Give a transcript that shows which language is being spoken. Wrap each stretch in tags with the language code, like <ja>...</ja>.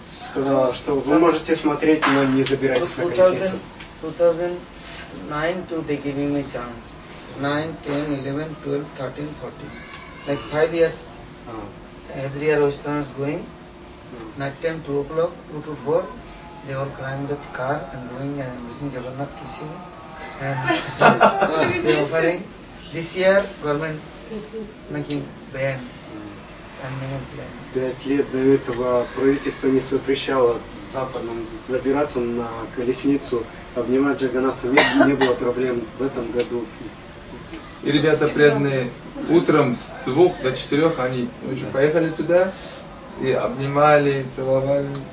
<ru>Сказала, что вы можете смотреть, но не забирайте свою колесницу.</ru> <en>2009 to they giving me chance. 9, 10, 11, 12, 13, 14. Like 5 years. Every year Western is going. Night time 2 o'clock, 2 to 4. They were climbing the car and going and missing Jagannath kissing. And they offering. This year government making ban.</en> <ru>5 лет до этого правительство не запрещало западным забираться на колесницу, обнимать Джаганатху, не было проблем в этом году. И ребята преданные утром с 2 до 4 они уже поехали туда и обнимали, целовали,</ru>